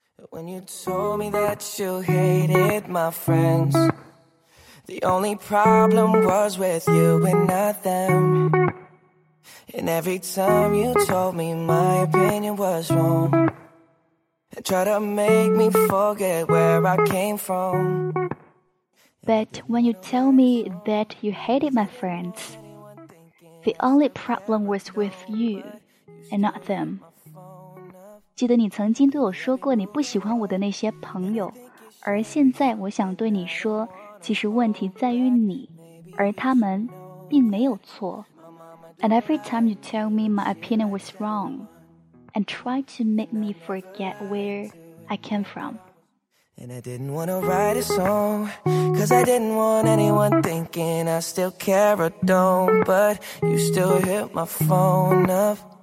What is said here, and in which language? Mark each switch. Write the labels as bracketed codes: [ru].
[en] When you told me that you hated my friends, the only problem was with you and not them. And every time you told me my opinion was wrong, try to make me forget where I came from. But when you tell me that you hated my friends, the only problem was with you and not them. [zh] 记得你曾经对我说过你不喜欢我的那些朋友，而现在我想对你说，其实问题在于你，而他们并没有错。 [en] And every time you tell me my opinion was wrong and try to make me forget where I came from And I didn't want to write a song, cause I didn't want anyone thinking I still care or don't, but you still hit my phone up.